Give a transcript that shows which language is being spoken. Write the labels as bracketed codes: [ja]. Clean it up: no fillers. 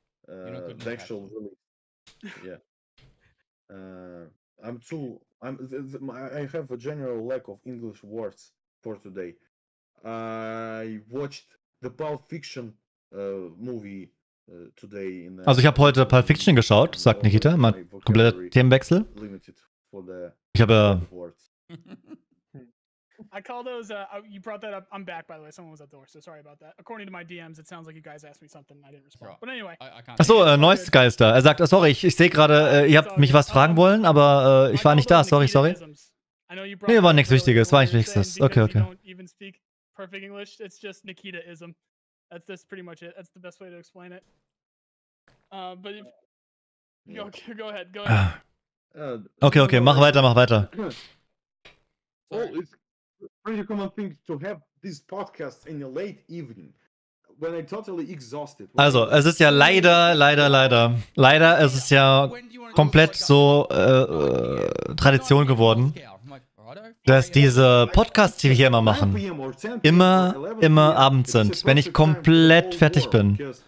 [en] I have a general lack of English words for today. I watched the Pulp Fiction movie today. [de] Also ich habe heute Pulp Fiction geschaut, sagt Nikita, mal kompletter Themenwechsel. Ich habe [en] I call those you brought that up. I'm back, by the way. Someone was at the door, so sorry about that. According to my DMs, it sounds like you guys asked me something and I didn't respond. But anyway. [de] Achso, Noise Geister. Er sagt, sorry, ich sehe gerade, ihr habt mich was fragen wollen, aber ich war nicht da. Sorry. Nee, war nichts Wichtiges. Okay. [en] You don't even speak perfect English. It's just Nikita-ism. That's pretty much it. That's the best way to explain it. But if... Go ahead. [de] Okay, mach weiter. [en] Pretty common thing to have this podcast in the late evening when I totally exhausted. [de] Also, es ist ja leider, es ist ja komplett so Tradition geworden, dass diese Podcasts, die wir hier immer machen, immer abends sind, wenn ich komplett fertig bin.